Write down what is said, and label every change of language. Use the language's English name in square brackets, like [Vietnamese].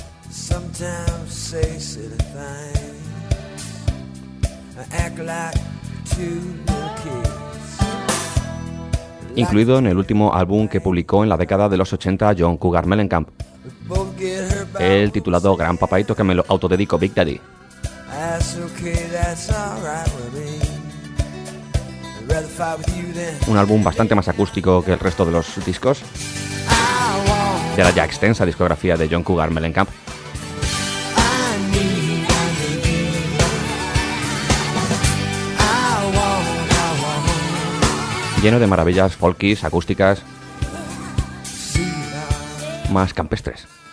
[English] Sometimes say silly things. I act like two little kids. [Spanish] Incluido en el último álbum que publicó en la década de los 80 John Cougar Mellencamp, el titulado Gran Papaito, que me lo autodedico, Big Daddy. [English] That's okay, that's all right with me. I'd rather fight with you then. [Spanish] Un álbum bastante más acústico que el resto de los discos de la ya extensa discografía de John Cougar Mellencamp. Lleno de maravillas folkies, acústicas, más campestres.